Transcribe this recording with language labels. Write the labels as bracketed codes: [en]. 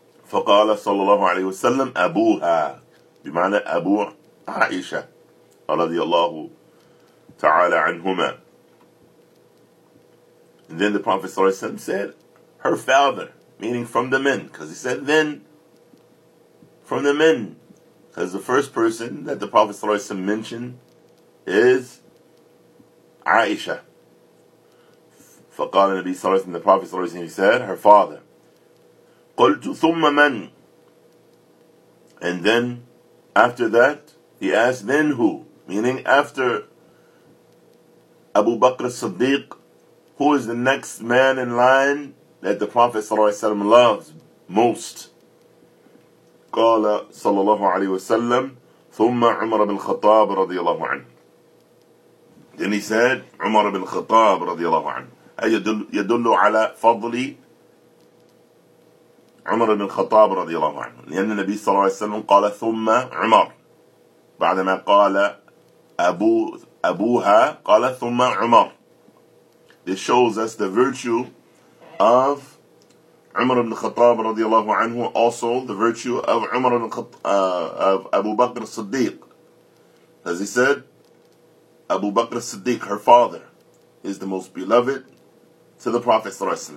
[ar] فقال صلى الله عليه وسلم أبوها, بمعنى أبو عائشة رضي الله تعالى عنهما. [en] And then the Prophet صلى الله عليه وسلم said her father, meaning from the men, because he said then, from the men, because the first person that the Prophet ﷺ mentioned is Aisha. [ar] فقال النبي صلى الله عليه وسلم, [en] the Prophet ﷺ, he said her father. [ar] قلت ثم من, [en] and then after that he asked then who, meaning after Abu Bakr as-Siddiq, who is the next man in line that the Prophet ﷺ loves most. [ar] قال صلى الله عليه وسلم ثم عمر بن الخطاب رضي الله عنه. [en] Then he said [ar] عمر بن الخطاب رضي الله عنه. يدل على فضل عمر بن الخطاب رضي الله عنه. لأن النبي صلى الله عليه وسلم قال ثم عمر. بعدما قال أبوها قال ثم عمر. [en] This shows us the virtue of Umar ibn Khattab رضي الله عنه, also the virtue of Umar ibn of Abu Bakr al-Siddiq. As he said, Abu Bakr al-Siddiq, her father, is the most beloved to the Prophet ﷺ.